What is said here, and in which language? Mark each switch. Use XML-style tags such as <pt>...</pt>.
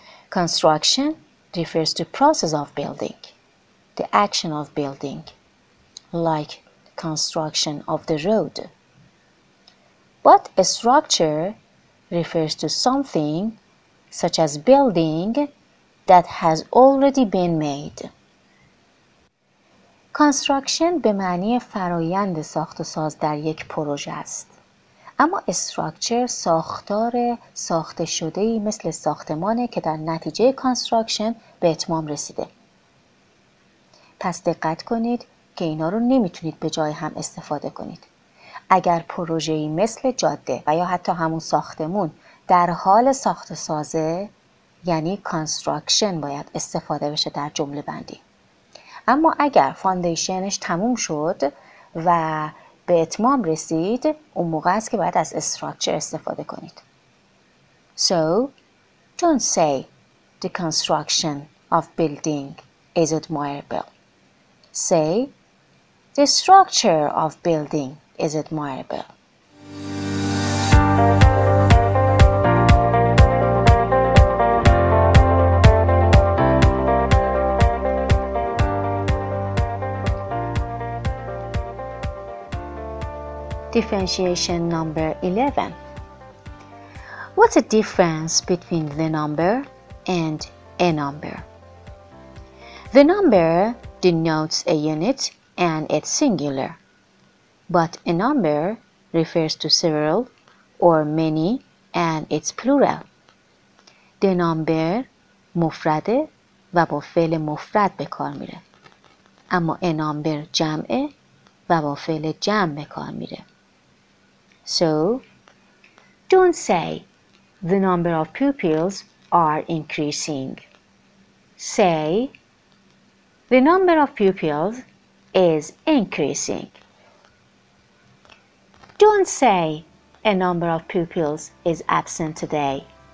<en>Construction refers to process of building, the action of building, like construction of the road. But a structure refers to something such as building that has already been made.</en> <fa>Construction به معنی فرایند ساخت و ساز در یک پروژه است. اما استراکچر ساختار ساخته شده‌ای مثل ساختمانی که در نتیجه construction به اتمام رسیده. پس دقت کنید که اینا رو نمیتونید به جای هم استفاده کنید. اگر پروژه‌ای مثل جاده و یا حتی همون ساختمون در حال ساخت و سازه، یعنی construction باید استفاده بشه در جمله بندی. اما اگر فاندیشنش تموم شد و به اتمام رسید، اون موقع است که باید از structure استفاده کنید.</fa> <en>So, don't say the construction of building is admirable. Say, the structure of building is admirable. Differentiation number 11. What's the difference between the number and a number? The number denotes a unit and its singular, but a number refers to several or many and its plural.</en> <fa>The number مفرده و با فعل مفرد به کار میره، اما a number جمعه و با فعل جمع به کار میره.</fa> <en>So, don't say the number of pupils are increasing. Say the number of pupils is increasing. Don't say a number of pupils is absent today.</en>